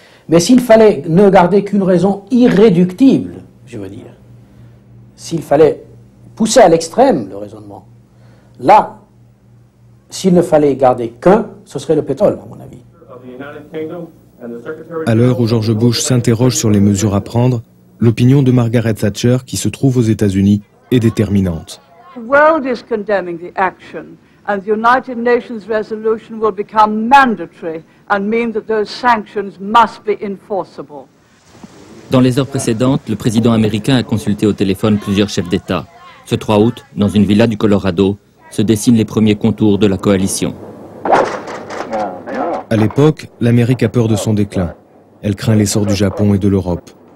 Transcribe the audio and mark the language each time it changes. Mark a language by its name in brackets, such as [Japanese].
[French] Mais s'il fallait ne garder qu'une raison irréductible, je veux dire, s'il fallait pousser à l'extrême le raisonnement, là, s'il ne fallait garder qu'un, ce serait le pétrole, à mon avis. À l'heure où George Bush s'interroge sur les mesures à prendre, l'opinion de Margaret Thatcher, qui se trouve aux États-Unis, est déterminante. [English] The world is condemning the action, and the United Nations resolution will become mandatory and mean that those sanctions must be enforceable. [French] Dans les heures précédentes, le président américain a consulté au téléphone plusieurs chefs d'État. Ce 3 août, dans une villa du Colorado, se dessinent les premiers contours de la coalition. À l'époque, l'Amérique a peur de son déclin. Elle craint l'essor du Japon et de l'Europe.